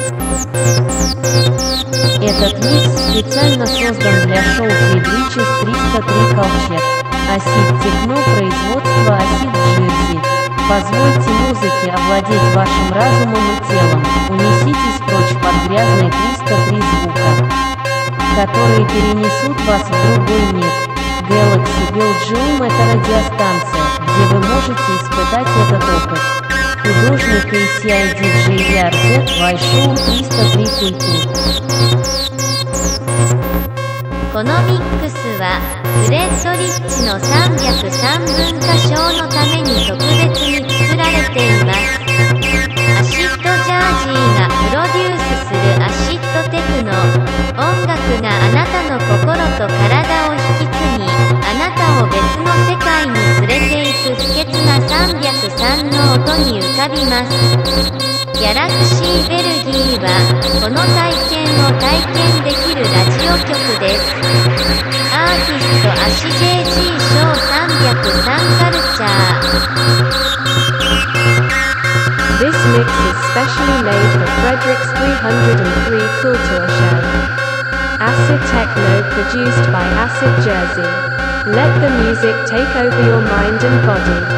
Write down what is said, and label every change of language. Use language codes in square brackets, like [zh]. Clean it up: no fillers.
[ru] Этот микс специально создан для шоу Фридриче 303 Калчер. Acid Techno производства Acid Jerzy. Позвольте музыке овладеть вашим разумом и телом. Унеситесь прочь под грязные 303 звука, которые перенесут вас в другой мир. Galaxy Belgium – это радиостанция, где вы можете испытать этот опыт. Художник ACIDJ Jerzz, Вайшоу 303 Kultur. [ja] このミックスはフレッドリッチの303文化ショーのために特別に作られています。アシッドジャージーがプロデュースするアシッドテクノ音楽があなたの心と体を引き継ぎ、あなたを別の世界に連れて行く秘訣が303の音に浮かびます。ギャラクシーベルギーはこの体験を体験できるラジオ局です。アーティストアシゲージーショー303カルチャー。 [en] This mix is specially made for Frederick's 303 Kultur Show. Acid Techno produced by Acid Jerzy. Let the music take over your mind and body.